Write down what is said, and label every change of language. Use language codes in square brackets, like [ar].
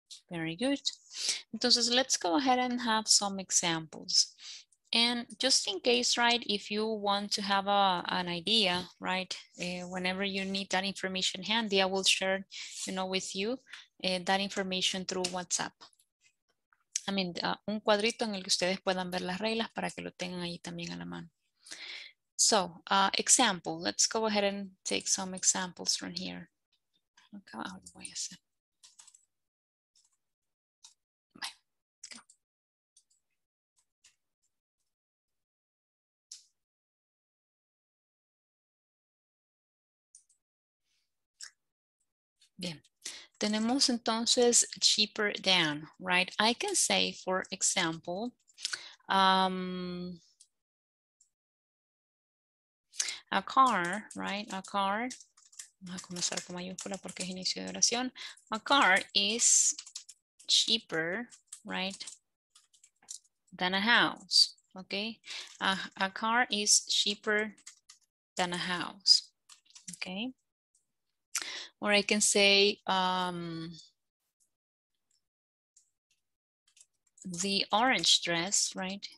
[en] Very good. [es] Entonces, [en] let's go ahead and have some examples. And just in case, right, if you want to have an idea, right, whenever you need that information handy, I will share, you know, with you that information through WhatsApp. I mean, [es] un cuadrito en el que ustedes puedan ver las reglas para que lo tengan ahí también a la mano. [en] So, example, let's go ahead and take some examples from here. Okay. [es] Bien, tenemos entonces [en] cheaper than, right? I can say, for example, a car, right? A car, [es] vamos a comenzar con mayúscula porque es inicio de oración. [en] A car is cheaper, right, than a house, okay? A car is cheaper than a house, okay? Or I can say the orange dress, right?